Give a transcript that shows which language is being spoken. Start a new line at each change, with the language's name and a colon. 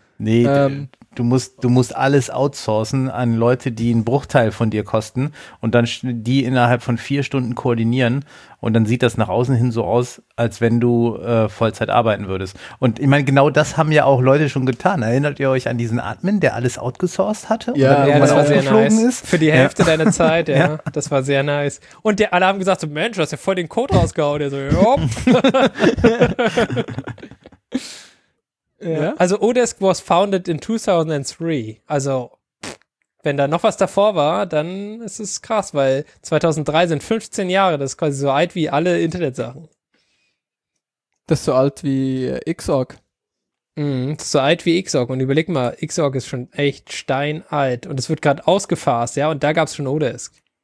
German: Nee, du musst alles outsourcen an Leute, die einen Bruchteil von dir kosten und dann die innerhalb von 4 Stunden koordinieren und dann sieht das nach außen hin so aus, als wenn du Vollzeit arbeiten würdest. Und ich meine, genau das haben ja auch Leute schon getan. Erinnert ihr euch an diesen Admin, der alles outgesourced hatte? Ja, das war sehr nice. Ist? Für die Hälfte deiner Zeit, ja. Das war sehr nice. Und alle haben gesagt, so, Mensch, du hast ja voll den Code rausgehauen. Der so, jopp. Ja. Also
English: Odesk was founded in 2003.
German: Also, wenn da noch was davor war, dann ist es krass, weil 2003 sind 15 Jahre. Das ist quasi so alt wie alle Internetsachen. Das ist so alt wie Xorg. Das ist so alt wie Xorg. Und überleg mal, Xorg ist schon echt steinalt. Und es wird gerade ausgefasst, ja? Und da gab es schon Odesk.